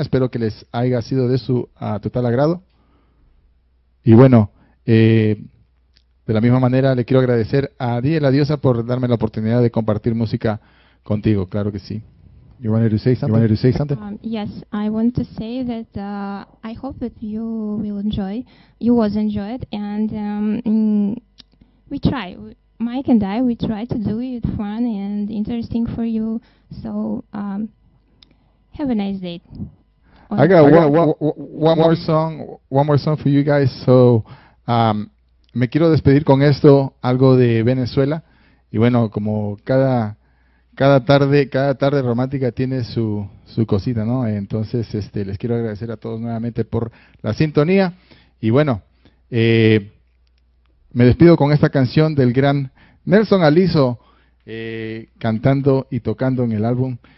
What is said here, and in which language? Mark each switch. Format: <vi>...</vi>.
<es>Espero que les haya sido de su total agrado. Y bueno, de la misma manera, le quiero agradecer a DJ La Diosa por darme la oportunidad de compartir música contigo. Claro que sí.</es> <en>You wanted to say something? Yes, I want to say that I hope that you will enjoy. You was enjoyed, and we try. Mike and I, we try to do it fun and interesting for you. So have a nice day. I got one more song for you guys.</en> <es>So me quiero despedir con esto, algo de Venezuela. Y bueno, como cada tarde romántica tiene su cosita, ¿no? Entonces, les quiero agradecer a todos nuevamente por la sintonía. Y bueno, me despido con esta canción del gran Nelson Aliso, cantando y tocando en el álbum.</es>